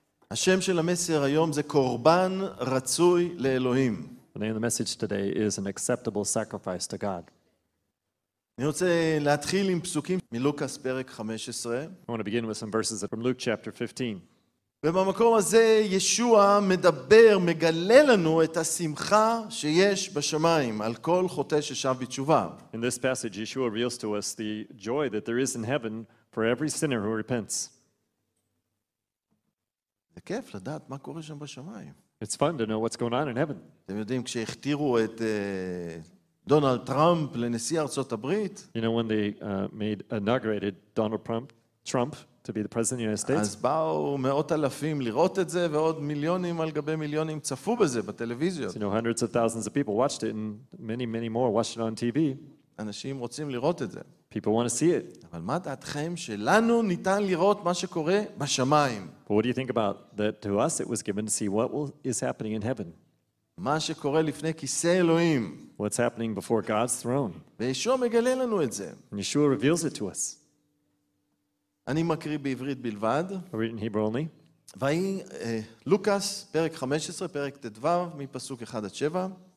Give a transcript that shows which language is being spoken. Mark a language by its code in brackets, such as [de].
[he] השם של המסר היום זה קורבן רצוי לאלוהים. [en] The name of the message today is an acceptable sacrifice to God. [he] אני רוצה להתחיל עם פסוקים מלוקס פרק 15. [en] I want to begin with some verses from Luke chapter 15. [he] ובמקום הזה ישוע מדבר, מגלה לנו את השמחה שיש בשמיים על כל חוטא ששב בתשובה. [en] In this passage, Yeshua reveals to us the joy that there is in heaven for every sinner who repents. [he] זה כיף לדעת מה קורה שם בשמיים. [en] It's fun to know what's going on in heaven. [he] אתם יודעים, כשהכתירו את דונלד טראמפ לנשיא ארצות הברית, [en] you know, when they inaugurated Donald Trump to be the president of the United States. [he] אז באו מאות אלפים לראות את זה, ועוד מיליונים על גבי מיליונים צפו בזה בטלוויזיות. [en] You know, hundreds of thousands of people watched it, and many, many more watched it on TV. [he] אנשים רוצים לראות את זה. [en] People want to see it. [he] אבל מה דעתכם שלנו ניתן לראות מה שקורה בשמיים? [en] But what do you think about that to us it was given to see what is happening in heaven? [he] מה שקורה לפני כיסא אלוהים. [en] What's happening before God's throne? [he] וישוע מגלה לנו את זה. [en] And Yeshua reveals it to us. [he] אני מקריא בעברית בלבד. [en] I read in Hebrew only. [he] והיא לוקס פרק 15 פרק ט"ו מפסוק 1 עד 7.